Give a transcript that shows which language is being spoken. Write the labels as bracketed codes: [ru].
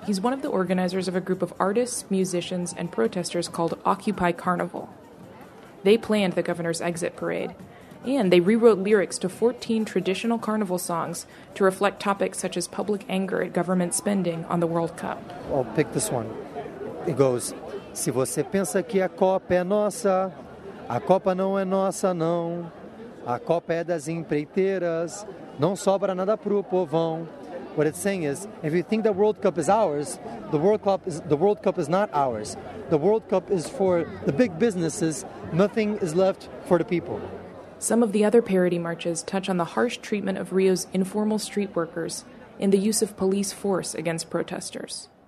[en] He's one of the organizers of a group of artists, musicians, and protesters called Occupy Carnival. They planned the governor's exit parade, and they rewrote lyrics to 14 traditional carnival songs to reflect topics such as public anger at government spending on the World Cup. I'll pick this one. [pt] It goes, se você pensa que a Copa é nossa, a Copa não é nossa, não. A Copa é das empreiteiras, não sobra nada pro povão. [en] What it's saying is, if you think the World Cup is ours, the World Cup is not ours. The World Cup is for the big businesses. Nothing is left for the people. Some of the other parody marches touch on the harsh treatment of Rio's informal street workers and the use of police force against protesters.